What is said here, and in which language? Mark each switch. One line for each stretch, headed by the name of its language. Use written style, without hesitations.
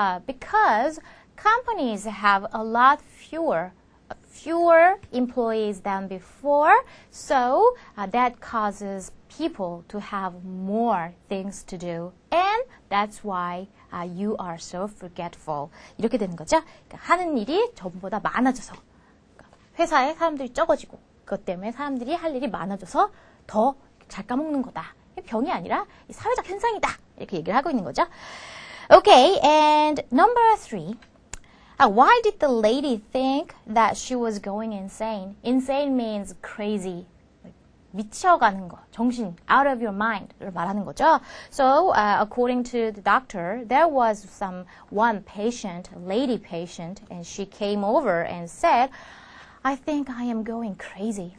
English: Because companies have a lot fewer employees than before, so that causes people to have more things to do, and that's why you are so forgetful.
Korean: 이렇게 되는 거죠. 그러니까 하는 일이 전보다 많아져서 회사에 사람들이 적어지고 그것 때문에 사람들이 할 일이 많아져서 더 잘 까먹는 거다. 병이 아니라 사회적 현상이다. 이렇게 얘기를 하고 있는 거죠.
English: Okay, and number three. Why did the lady think that she was going insane? Insane means crazy.
Korean: 미쳐가는 거, 정신,
English: out of your mind를
Korean: 말하는 거죠.
English: So, according to the doctor, there was one patient, lady patient, and she came over and said, I think I am going crazy.